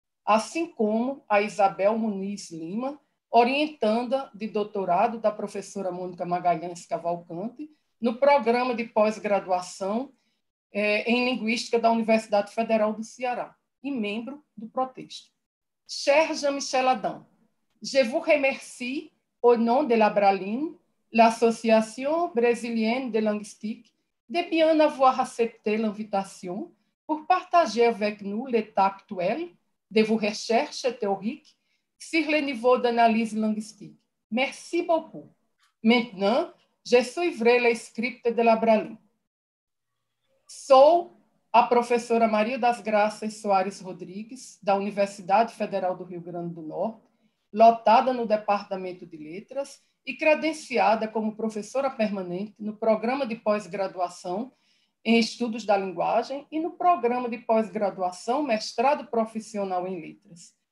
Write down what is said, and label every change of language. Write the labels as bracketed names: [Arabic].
[Portuguese] assim como a Isabel Muniz Lima, orientanda de doutorado da professora Mônica Magalhães Cavalcante, no programa de pós-graduação em Linguística da Universidade Federal do Ceará e membro do Protexto. [French] Cher Jean-Michel Adam, je vous remercie au nom de l'Abralim, l'Association Brésilienne de Linguistique, de bien avoir accepté l'invitation pour partager avec nous l'état actuel de vos recherches théoriques sur le niveau d'analyse linguistique. Merci beaucoup. Maintenant, je suivrai le script de l'Abralim. [Portuguese] Sou a professora Maria das Graças Soares Rodrigues, da Universidade Federal do Rio Grande do Norte, lotada no Departamento de Letras e credenciada como professora permanente no Programa de Pós-Graduação em Estudos da Linguagem e no Programa de Pós-Graduação Mestrado Profissional em Letras.